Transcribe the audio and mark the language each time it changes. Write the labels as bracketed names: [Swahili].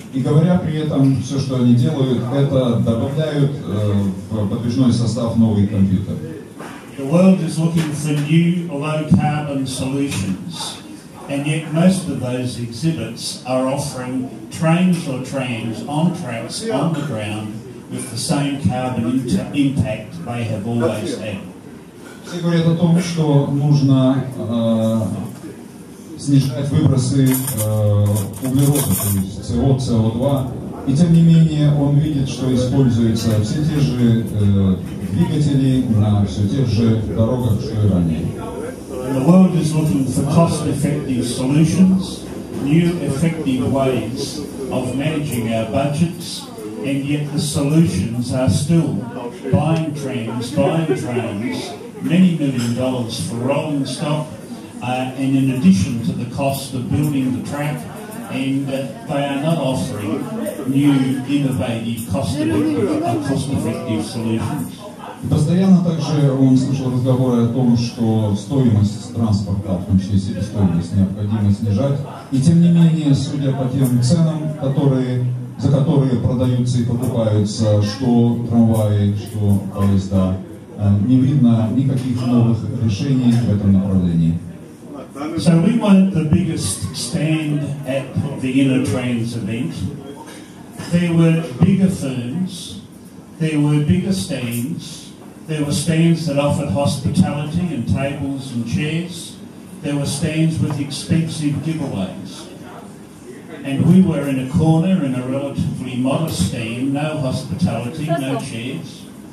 [Russian] И говоря при этом, все, что они делают, это добавляют в подвижной состав новый компьютер. [English] The world is looking for new low-carbon solutions. And yet most of those exhibits are offering trains or trams on tracks on the ground with the same carbon impact they have always had. [Russian] Все говорят о том, что нужно снижать выбросы углерода, CO2. И тем не менее он видит, что используются все те же двигатели на все тех же дорогах, что и ранее. [English] The world is looking for cost-effective solutions, new effective ways of managing our budgets, and yet the solutions are still buying trams, many million dollars for rolling stock, and in addition to the cost of building the track, and they are not offering new, innovative, cost-effective solutions. [Russian] Постоянно также он слышал разговоры о том, что стоимость транспорта, в том числе себестоимость, необходимо снижать. И тем не менее, судя по тем ценам, за которые продаются и покупаются, что трамваи, что поезда, не видно никаких новых решений в этом направлении. [English] So we want the biggest stand at the Innotrans event. There were bigger firms, there were bigger stands. There were stands that offered hospitality and tables and chairs. There were stands with expensive giveaways. And we were in a corner in a relatively modest stand, no hospitality, no chairs.